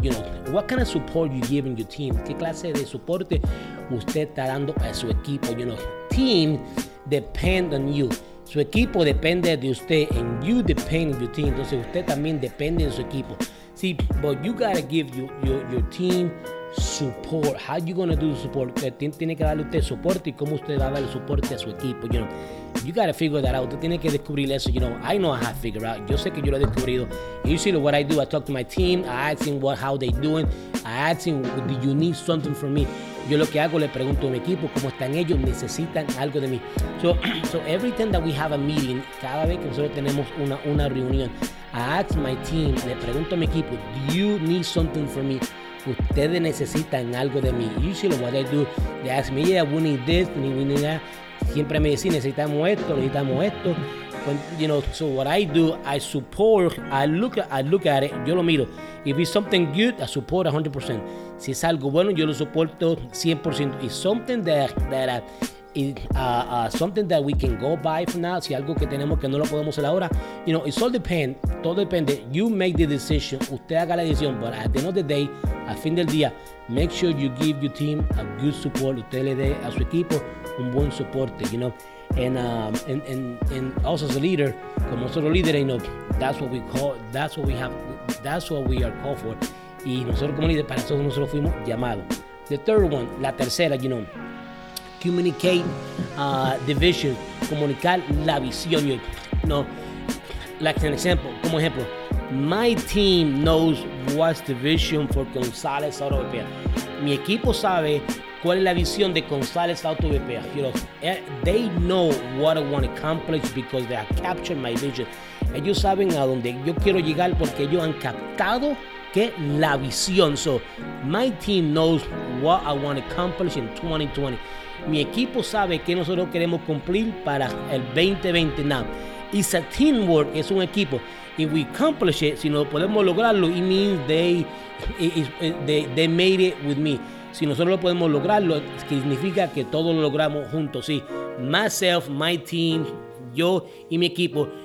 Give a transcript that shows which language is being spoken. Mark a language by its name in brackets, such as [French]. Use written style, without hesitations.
[English] You know, what kind of support you giving your team? [Spanish] ¿Qué clase de soporte usted está dando a su equipo? [English] You know, team depend on you. [Spanish] Su equipo depende de usted, [English] and you depend on your team. [Spanish] Entonces, usted también depende de su equipo. [English] See, but you gotta give your team support. How you gonna do the support? [Spanish] Tiene que darle usted soporte, y cómo usted va a darle soporte a su equipo. [English] You know, you gotta figure that out. [Spanish] Usted tiene que descubrir eso. [English] You know I have figured out. [Spanish] Yo sé que yo lo he descubrido. [English] Usually what I do, I talk to my team. I ask them how they doing. I ask them, do you need something from me? [Spanish] Yo lo que hago, le pregunto a mi equipo, ¿cómo están ellos? ¿Necesitan algo de mí? [English] So every time that we have a meeting, [Spanish] cada vez que nosotros tenemos una reunión, [English] I ask my team, [Spanish] le pregunto a mi equipo, [English] do you need something from me? [Spanish] Ustedes necesitan algo de mí. [English] Usually what I do, they ask me, yeah, we need this, we need that. [Spanish] Siempre me dicen, necesitamos esto. [English] When, you know, so what I do, I support, I look at it, [Spanish] yo lo miro. [English] If it's something good, I support 100%. [Spanish] Si es algo bueno, yo lo soporto 100%. [English] If something something that we can go by for now, [Spanish] si algo que tenemos que no lo podemos hacer ahora, [English] you know, it's all depend, [Spanish] todo depende. [English] You make the decision, [Spanish] usted haga la decisión, [English] but at the end of the day, [Spanish] al fin del día, [English] make sure you give your team a good support, [Spanish] usted le dé a su equipo un buen soporte, [English] you know. And also as a leader, como nosotros líderes, you know, that's what we are called for. [Spanish] Y nosotros como líderes, para eso nosotros fuimos llamados. [English] The third one, [Spanish] la tercera, [English] you know, communicate the vision, [Spanish] comunicar la visión, [English] you know. Like an example, como ejemplo, my team knows what's the vision for González Auto Repair. [Spanish] Mi equipo sabe cuál es la visión de González Auto Repair. [English] You know, they know what I want to accomplish because they have captured my vision. [Spanish] Ellos saben a dónde yo quiero llegar porque ellos han captado que la visión. [English] So, my team knows what I want to accomplish in 2020. [Spanish] Mi equipo sabe qué nosotros queremos cumplir para el 2020. [English] Now, it's a teamwork, [Spanish] es un equipo. [English] If we accomplish it, si no podemos lograrlo, it means they made it with me. [Spanish] Si nosotros lo podemos lograrlo, significa que todos lo logramos juntos. Sí, [English] myself, my team, [Spanish] yo y mi equipo.